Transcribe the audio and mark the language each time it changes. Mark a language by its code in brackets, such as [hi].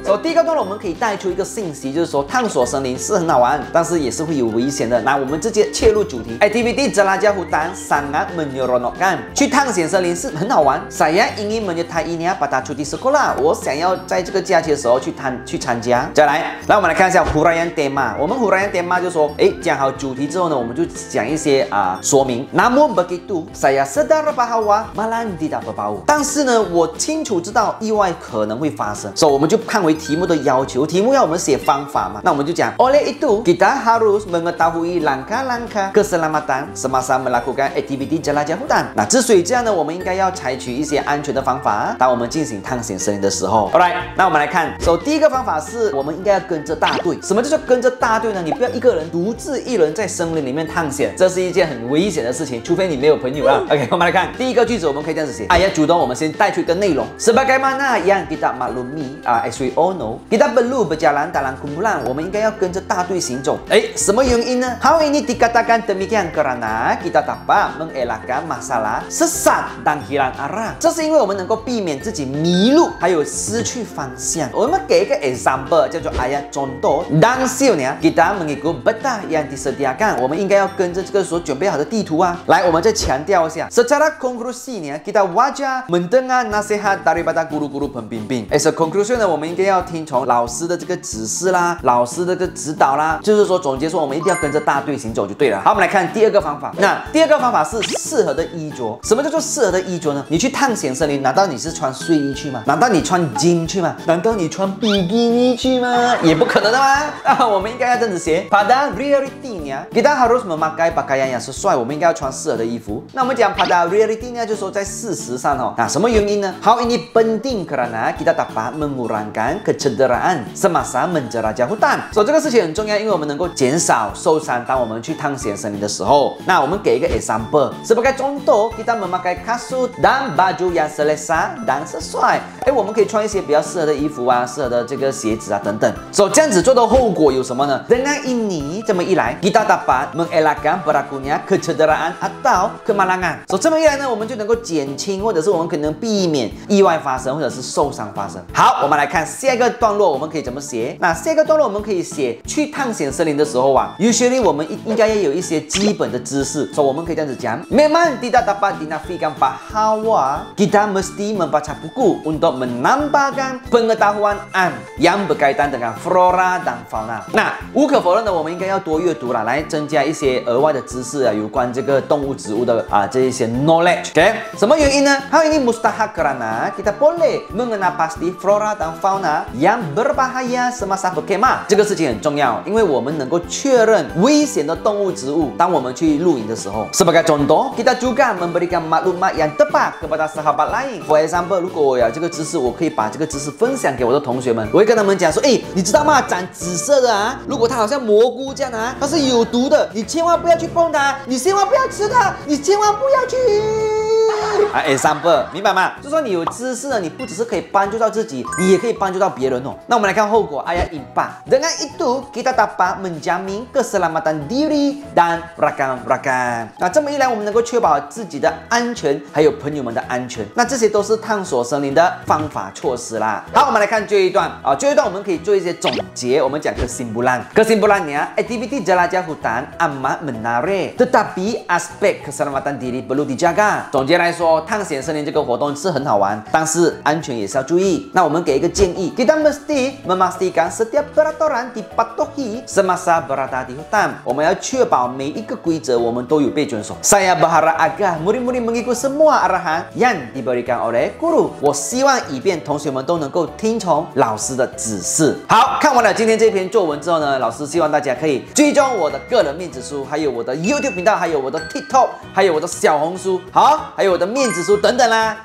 [en] So [zh] 第一个段落我们可以带出一个信息，就是说探索森林是很好玩，但是也是会有危险的。那我们直接切入主题 ， [ms] activity jelajah hutan sangat menyeronokkan， [zh] 去探险森林是很好玩。 [ms] Saya ingin menyertainya pada cuti sekolah， [zh] 我想要在这个假期的时候去参加。再来，那我们来看一下 [ms] huraian tema。 [zh] 我们 huraian tema 就说，讲好主题之后呢，我们就讲一些说明。 [ms] Namun begitu saya sedar bahwa malam tidak berbau， [zh] 但是呢，我清楚知道意外可能会发生。所以我们就看回题目的要求，题目要我们写方法嘛，那我们就讲 [ms] oleh itu kita harus mengetahui langkah-langkah keselamatan semasa melakukan aktiviti jelajah hutan。 [zh] 那之所以这样呢，我们应该要采取一些安全的方法，当我们进行探险森林的时候。 [en] Alright， [zh] 那我们来看。 [en] So [zh] 第一个方法是我们应该要跟着大队。什么叫做跟着大队呢？你不要一个人独自一人在森林里面探险，这是一件很危险的事情，除非你没有朋友啊。 [en] OK， [zh] 我们来看第一个句子，我们可以这样子写。要主动，我们先带出一个内容。 [ms] Sebagaimana yang kita maklumi [en] as we all know [ms] kita perlu berjalan dalam kumpulan， [zh] 我们应该要跟着大队行走。什么原因呢？ [ms] Hal ini dikatakan demikian kerana kita dapat mengelakkan masalah sesat dan hilang arah， [zh] 这是因为我们能够避免自己迷路还有失去方向。我们给一个 example 叫做 [ms] ayat contoh， dan sebenarnya kita mengikut peta yang disediakan， 我们应该要跟着这个所准备好的地图啊。 [zh] 来，我们再强调一下， [ms] secara conclusinya kita wajar mendengar nasihat daripada guru-guru pembimbing。 [en] As a conclusion [zh] 呢，我们应该要听从老师的这个指示啦，老师的这个指导啦，就是说总结说我们一定要跟着大队行走就对了。好，我们来看第二个方法。那第二个方法是适合的衣着。什么叫做适合的衣着呢？你去探险森林，难道你是穿睡衣去吗？难道你穿 jean 去吗？难道你穿比基尼去吗？也不可能的吗？我们应该要这样子写。 [ms] Pada realitinya kita harus memakai pakaian yang sesuai， [zh] 我们应该要穿适合的衣服。那我们讲 [ms] pada realitinya [zh] 就是说在事实上哦。那什么原因呢？ [ms] Hal ini penting kerana kita dapat mengurangkan kecederaan semasa menjelajah hutan。 [zh] 所以这个事情很重要，因为我们能够减少受伤，当我们去探险森林的时候。那我们给一个 example， [ms] sebagai contoh kita memakai kasut dan baju yang selesa dan sesuai， [zh] 我们可以穿一些比较适合的衣服啊，适合的这个鞋子啊等等。所以这样子做的后果有什么呢？ [ms] dengan ini， [zh] 这么一来 [ms] kita dapat mengelakkan berlakunya kecederaan atau kemalangan。 [zh] 所以这么一来呢，我们就能够减轻或者是我们可能避免意外发生或者是受伤发生。好，我们来看下一个段落，我们可以怎么写。那下一个段落我们可以写去探险森林的时候啊， [en] usually [zh] 我们应该要有一些基本的知识。 [ms] 所以我们可以这样子讲， memang tidak dapat dinafikan bahwa kita mesti membaca buku untuk menambahkan pengetahuan yang berkaitan dengan flora dan fauna。 [zh] 那无可否认的，我们应该要多阅读啦，来增加一些额外的知识啊，有关这个动物植物的这一些 knowledge。 [en] OK， [zh] 什么原因呢？ [ms] hal ini mustahak kerana kita boleh mengenal pasti flora dan fauna yang berbahaya semasa berkemah。 [zh] 这个事情很重要，因为我们能够确认危险的动物植物，当我们去露营的时候。 [ms] Sebagai contoh kita juga memberikan maklumat yang tepat kepada sahabat lain。 [en] For example， [zh] 如果我有这个知识，我可以把这个知识分享给我的同学们，我会跟他们讲说，你知道吗，长紫色的啊，如果它好像蘑菇这样啊，它是有毒的，你千万不要去碰它，你千万不要吃它，你千万不要去。啊 ，example， 明白吗？就说你有知识呢，你不只是可以帮助到自己，你也可以帮助到别人哦。那我们来看后果。 [ms] Ayat impak dengan itu kita dapat menjamin keselamatan diri dan rakan-rakan。 [zh] 那这么一来，我们能够确保自己的安全，还有朋友们的安全。那这些都是探索森林的方法措施啦。好，我们来看这一段啊，这一段我们可以做一些总结。我们讲kesimpulan。 [ms] Kesimpulannya, aktiviti jelajah hutan amat menarik, tetapi aspek keselamatan diri perlu dijaga。 [zh] 总结来说，探险森林这个活动是很好玩，但是安全也是要注意。那我们给一个建议， [ms] kita mesti memastikan setiap peraturan dipatuhi semasa berada di hutan。 [zh] 我们要确保每一个规则我们都有被遵守。 [ms] Saya berharap agar murid-murid mengikuti semua arahan yang diberikan oleh guru。 [zh] 我希望以便同学们都能够听从老师的指示。好，看完了今天这篇作文之后呢，老师希望大家可以追踪我的个人面子书，还有我的 YouTube 频道，还有我的 TikTok， 还有我的小红书，好，还有我的面子书等等啦。